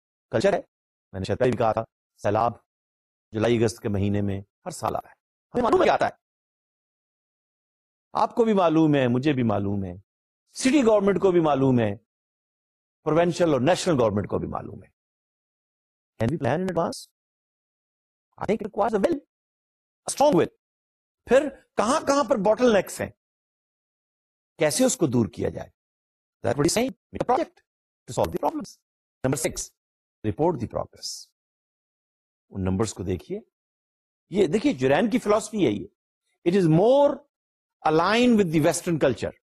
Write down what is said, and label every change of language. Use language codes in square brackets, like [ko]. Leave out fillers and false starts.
[ur] Culture ہے, میں نے شاید پہلے بھی کہا تھا, سیلاب جولائی اگست کے مہینے میں ہر سال آ رہا ہے, ہمیں معلوم ہے آتا ہے, آپ کو بھی معلوم ہے, مجھے بھی معلوم ہے, سٹی گورنمنٹ کو بھی معلوم ہے, پروینشل اور نیشنل گورنمنٹ کو بھی معلوم ہے. [en] Can we plan in advance? I think it requires a will, a strong will. [ur] پھر کہاں کہاں پر باٹل نیکس ہیں, کیسے اس کو دور کیا جائے, [en] that's what he's saying. Make a project to solve the problems. Number six, report the progress. [ur] In numbers کو دیکھیے, یہ دیکھیے جورین کی فلسفی ہے, یہ [en] It is more aligned with the western culture.